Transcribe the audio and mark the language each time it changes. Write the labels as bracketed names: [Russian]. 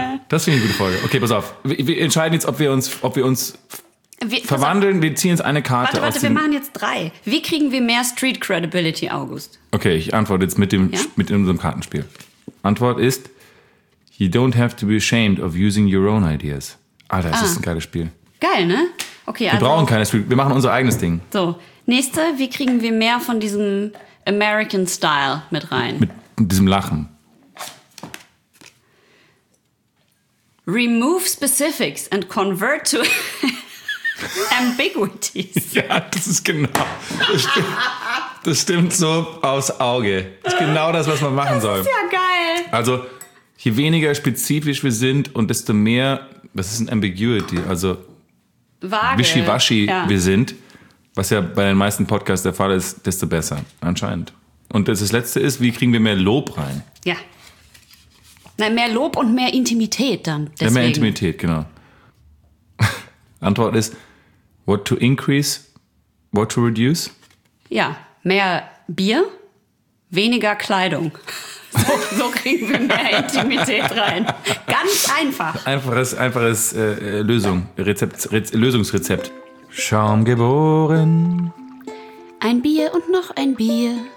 [German] Das finde ich eine gute Folge. Okay, pass auf. Wir entscheiden jetzt, ob wir uns verwandeln. Wir ziehen jetzt eine Karte. Warte, wir machen jetzt drei. Wie kriegen wir mehr Street Credibility, August? Okay, ich antworte jetzt mit unserem Kartenspiel. Antwort ist: [English] You don't have to be ashamed of using your own ideas. [German] Alter, das ist ein geiles Spiel. Geil, ne? Okay, wir brauchen keine Street. Wir machen unser eigenes Ding. So, nächste: Wie kriegen wir mehr von diesem American Style mit rein? Mit diesem Lachen. [English] Remove specifics and convert to ambiguities. [German] Ja, das ist genau. Das stimmt so aufs Auge. Das ist genau das, was man machen soll. Das ist ja geil. Also, je weniger spezifisch wir sind und desto mehr, was ist ein Ambiguity? Also, wischiwaschi wir sind, was ja bei den meisten Podcasts der Fall ist, desto besser, anscheinend. Und das Letzte ist, wie kriegen wir mehr Lob rein? Ja. Nein, mehr Lob und mehr Intimität dann. Deswegen. Ja, mehr Intimität, genau. Antwort ist, [English] what to increase, what to reduce? [German] Ja, mehr Bier, weniger Kleidung. So kriegen wir mehr Intimität rein. Ganz einfach. Einfaches Lösung, Lösungsrezept. Schaum geboren. Ein Bier und noch ein Bier.